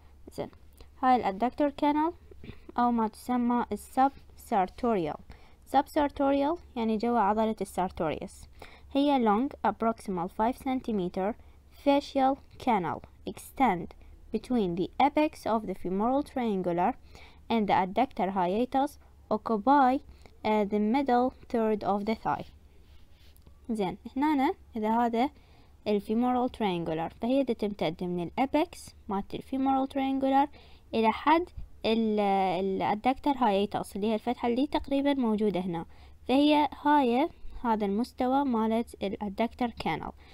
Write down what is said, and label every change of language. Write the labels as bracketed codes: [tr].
[ar] زين، هاي الadductor canal أو ما تسمى subsartorial. Subsartorial يعني جوا عضلة السارتوريوس. [en] هي long approximately 5 cm facial canal extend between the apex of the femoral triangular and the adductor hiatus occupy the middle third of the thigh. [ar] زين هنا أنا إذا هذا الفيمورال تريانجولار فهي دي تمتد من الأبيكس مات الفيمورال تريانجولار إلى حد الأدكتر هايتس اللي هي الفتحة اللي تقريبا موجودة هنا فهي هاي هذا المستوى مالت الأدكتر كانال.